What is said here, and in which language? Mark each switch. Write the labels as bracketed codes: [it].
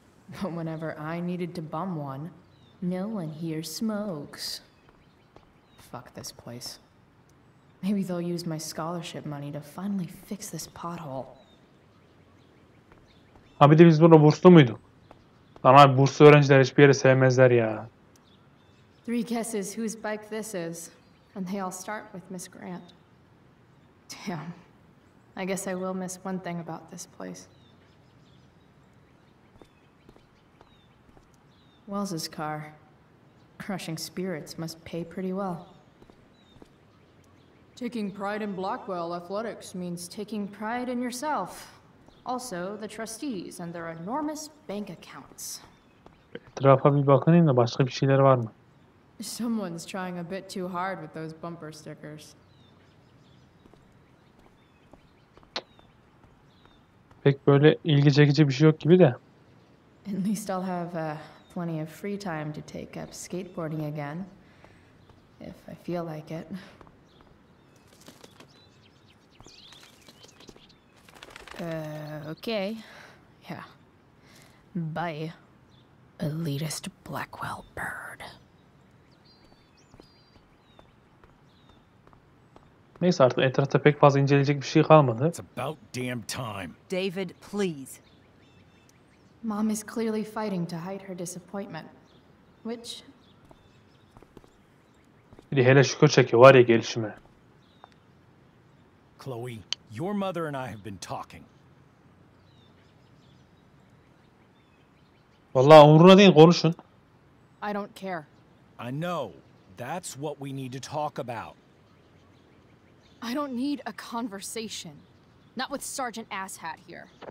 [en] But whenever I needed to bum one, no one here smokes. Fuck this place. Maybe they'll use my scholarship money to finally fix this pothole. [tr] Abi de biz burada burslu muydu? Lan abi burslu öğrenciler hiçbir yere sevmezler ya. [en] Three guesses whose bike this is, and they all start with Miss Grant. Damn. I guess I will miss one thing about this place. Wells's car. Crushing spirits must pay pretty well. Taking pride in Blackwell Athletics means taking pride in yourself. Also, the trustees and their enormous bank accounts. [tr] Etrafa bir bakınayım da başka bir şeyler var mı? [en] Someone's trying a bit too hard with those bumper stickers. [tr] Pek böyle ilgi çekici bir şey yok gibi de. [en] At least I'll have plenty of free time to take up skateboarding again. If I feel like it. Okay. Yeah. Bye. Elitist Blackwell bird. [tr] Neyse artık etrafta pek fazla inceleyecek bir şey kalmadı. [en] It's about damn time. David, please. Mom is clearly fighting to hide her disappointment. Which... [tr] Bir de hele şükür çekiyor var ya gelişime. [en] Chloe, your mother and I have been talking. [tr] Vallahi umuruna değil, konuşun. [en] I don't care. I know. That's what we need to talk about. I don't need a conversation. Not with Sergeant Asshat here.